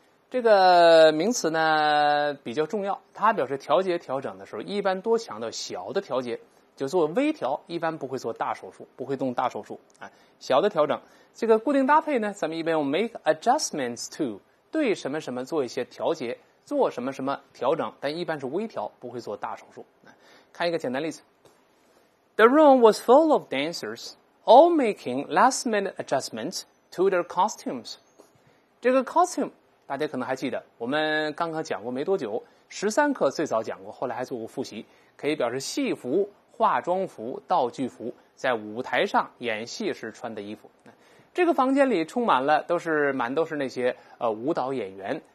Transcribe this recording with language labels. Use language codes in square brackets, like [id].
[zh] 这个名词呢比较重要，它表示调节调整的时候，一般多强调小的调节，就做微调，一般不会做大手术，不会动大手术啊。小的调整，这个固定搭配呢，咱们一般用 [en] make adjustments to， [zh] 对什么什么做一些调节。做什么什么调整，但一般是微调，不会做大手术。看一个简单例子 [en] ：The room was full of dancers, all making last-minute adjustments to their costumes. [zh] 这个 costume 大家可能还记得，我们刚刚讲过没多久，13课最早讲过，后来还做过复习，可以表示戏服、化妆服、道具服，在舞台上演戏时穿的衣服。这个房间里充满了都是那些舞蹈演员。